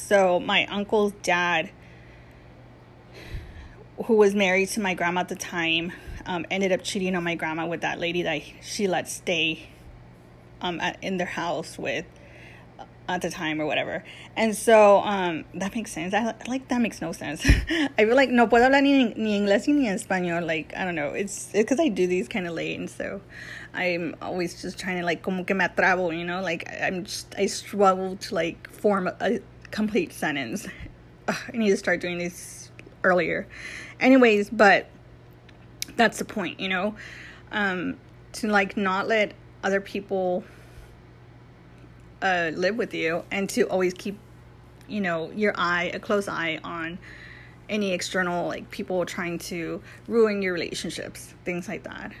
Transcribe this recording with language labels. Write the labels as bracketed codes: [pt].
[en] So my uncle's dad, who was married to my grandma at the time, ended up cheating on my grandma with that lady that she let stay in their house with at the time or whatever. And so that makes sense. I like, that makes no sense. I feel like [es] no puedo hablar ni inglés ni español. [en] Like, I don't know, it's because I do these kind of late, and so I'm always just trying to like, [es] como que me atrabo, [en] you know, like I struggle to like form a complete sentence. I need to start doing this earlier. Anyways, but that's the point, you know, to like not let other people live with you, and to always keep, you know, a close eye on any external like people trying to ruin your relationships, things like that.